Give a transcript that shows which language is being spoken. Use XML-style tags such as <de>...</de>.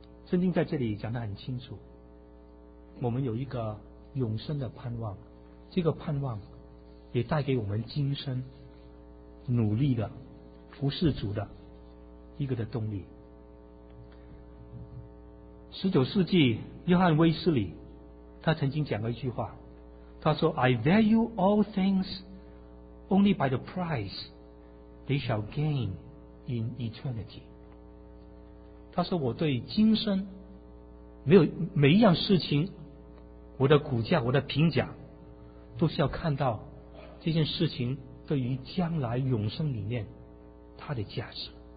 <zh>圣经在这里讲得很清楚，我们有一个永生的盼望，这个盼望也带给我们今生努力的服侍主的一个的动力。 19世纪约翰威斯里他曾经讲过一句话，他说</zh> <en>I value all things only by the price they shall gain in eternity。</en> <zh>他说我对今生没有每一样事情，我的股价我的评价都是要看到这件事情对于将来永生里面它的价值。</zh>